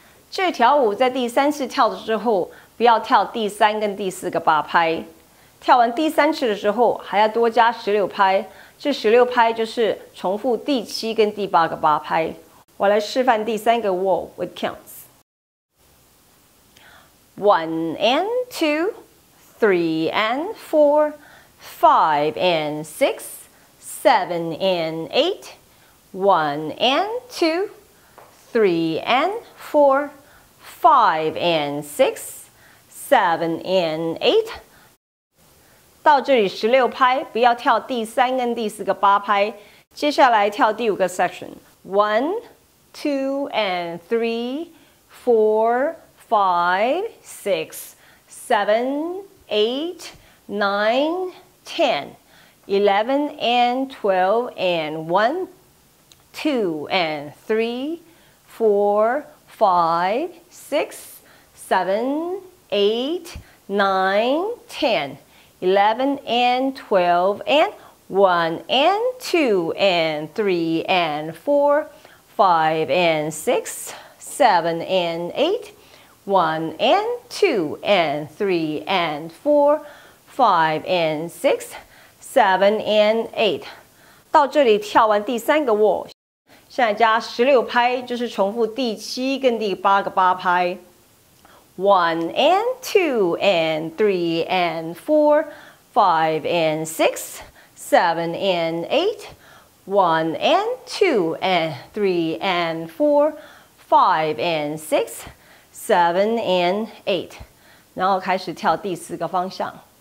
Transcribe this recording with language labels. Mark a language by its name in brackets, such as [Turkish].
[Chinese] 这条舞在第三次跳的时候，不要跳第三跟第四个八拍，跳完第三次的时候还要多加十六拍，这十六拍就是重复第七跟第八个八拍。我来示范第三个 wall [English] with counts. One and two, three and four, five and six, seven and eight. One and two, three and four, five and six, seven and eight. [Chinese] 到这里十六拍，不要跳第三跟第四个八拍。接下来跳第五个 section. One. [English] Two and three, four, five, six, seven, eight, nine, ten, 11 and 12 and one, two and three, four, five, six, seven, eight, nine, ten, 11 and 12 and one and two and three and four. Five and six, seven and eight, one and two and three and four, five and six, seven and eight. [Chinese] 到这里跳完第三个 wall， 现在加十六拍，就是重复第七跟第八个八拍。 [English] One and two and three and four, five and six, seven and eight. One and two and three and four, five and six, seven and eight. [Chinese] 然后开始跳第四个方向。